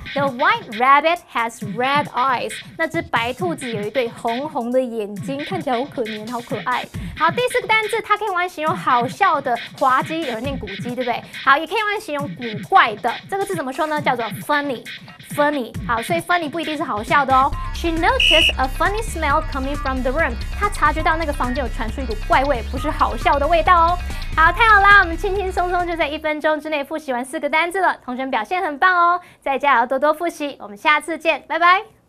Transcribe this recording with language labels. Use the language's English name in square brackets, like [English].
[English] The white rabbit has red eyes. [Chinese] 那只白兔子有一对红红的眼睛，看起来好可怜，好可爱。好，第四个单字，它可以玩形容好笑的、滑稽，有人念古稽，对不对？好，也可以玩形容古怪的。这个字怎么说呢？叫做 funny。Funny， 好，所以 funny 不一定是好笑的哦。 [English] She noticed a funny smell coming from the room. [Chinese] 她察觉到那个房间有传出一股怪味，不是好笑的味道哦。好，太好啦，我们轻轻松松就在一分钟之内复习完四个单字了，同学们表现很棒哦，在家也要多多复习。我们下次见，拜拜。